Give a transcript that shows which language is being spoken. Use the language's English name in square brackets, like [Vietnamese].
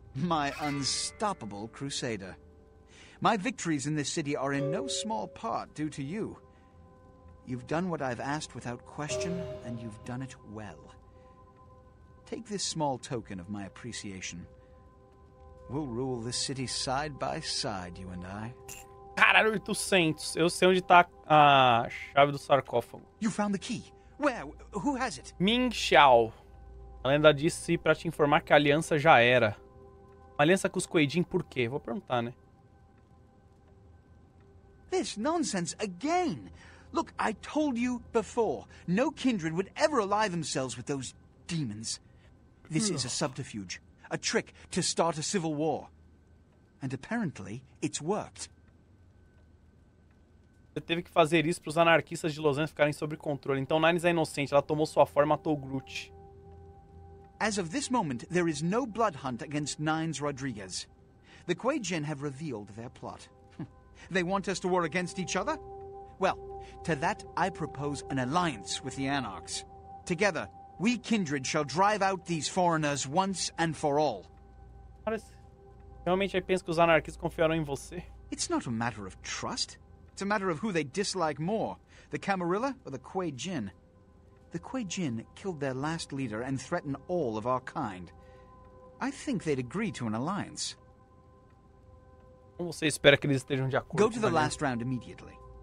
[English] My unstoppable crusader. My victories in this city are in no small part due to you. You've done what I've asked without question, and you've done it well. Take this small token of my appreciation. We'll rule this city side by side, you and I. [Portuguese] Caralho, 800. Eu sei onde tá a chave do sarcófago. [English] You found the key. Where? Who has it? [Portuguese] Ming Xiao. Ela ainda disse pra te informar que a aliança já era. Uma aliança com os Kuei-jin, por quê? Vou perguntar, né? [English] This nonsense again. Look, I told you before, no kindred would ever ally themselves with those demons. This is a subterfuge, a trick to start a civil war. And apparently, it's worked. [Portuguese] Você teve que fazer isso para os anarquistas de Los Angeles ficarem sob controle. Então Nines é inocente, ela tomou sua forma e matou o Groot. [English] As of this moment, there is no blood hunt against Nines Rodriguez. The Kuei-jin have revealed their plot. They want us to war against each other? Well, to that I propose an alliance with the Anarchs. Together, we kindred shall drive out these foreigners once and for all. [Portuguese] Realmente, eu penso que os anarquistas confiaram em você. [English] It's not a matter of trust. It's a matter of who they dislike more, the Camarilla or the Kuei-jin. The Kuei-jin killed their last leader and threatened all of our kind. I think they'd agree to an alliance. [Portuguese] Você espera que eles estejam de acordo? [English] Go to the last round immediately.